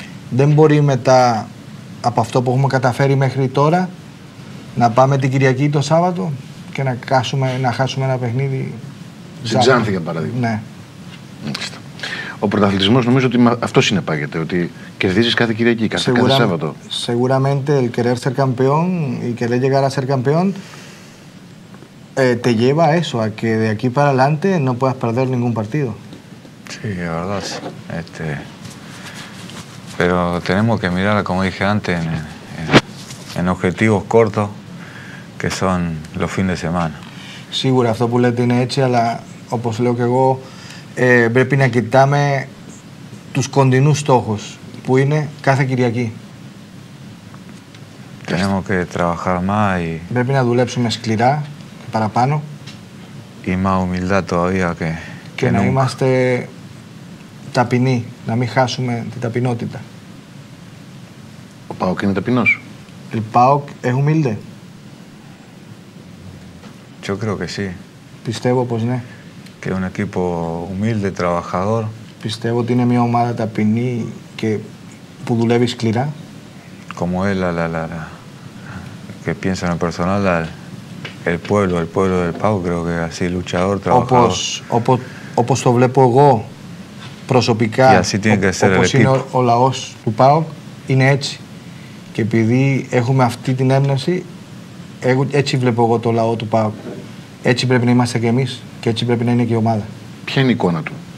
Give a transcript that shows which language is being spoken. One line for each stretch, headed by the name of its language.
Greek: Δεν μπορεί μετά από αυτό που έχουμε καταφέρει μέχρι τώρα να πάμε την Κυριακή ή το Σάββατο και να χάσουμε ένα παιχνίδι. Στην Ξάνθη, για παράδειγμα. Ναι. Ο πρωταθλητισμός νομίζω ότι αυτό συνεπάγεται, ότι κερδίζεις κάθε Κυριακή, κάθε Σάββατο.
Spanish: Seguramente el querer ser campeón y querer llegar a ser campeón te lleva a eso, a que de aquí para adelante no puedas perder ningún partido. Sí, la verdad. Pero tenemos que mirar, como dije antes, en objetivos cortos, que son los fines de semana.
Greek: Σίγουρα αυτό που λέτε είναι έτσι, αλλά όπως λέω και εγώ, πρέπει να κοιτάμε τους κοντινούς στόχους, που είναι κάθε Κυριακή.
Spanish: Tenemos que trabajar más y...
Greek: Πρέπει να δουλέψουμε σκληρά και παραπάνω.
Spanish: Y más humildad todavía que...
Greek: Και να είμαστε ταπεινοί, να μην χάσουμε την ταπεινότητα. Ο ΠΑΟΚ είναι ταπεινός.
Spanish: El ΠΑΟΚ es humilde. Yo creo que sí.
Greek: Πιστεύω πως ναι.
Spanish: Que es un equipo humilde, trabajador.
Greek: Πιστεύω ότι είναι μια ομάδα ταπεινή και που δουλεύει σκληρά.
Spanish: Como él, la que piensa en el personal, el pueblo, el pueblo del Pau, creo que así luchador, trabajador.
Greek: Όπως το βλέπω εγώ προσωπικά, όπως είναι ο λαός του Πάου, είναι έτσι. Και επειδή έχουμε αυτή την έμπνευση, έτσι βλέπω εγώ το λαό του ΠΑΟΚ. Έτσι πρέπει να είμαστε και εμείς και έτσι πρέπει να είναι και η ομάδα. Ποια είναι η εικόνα του?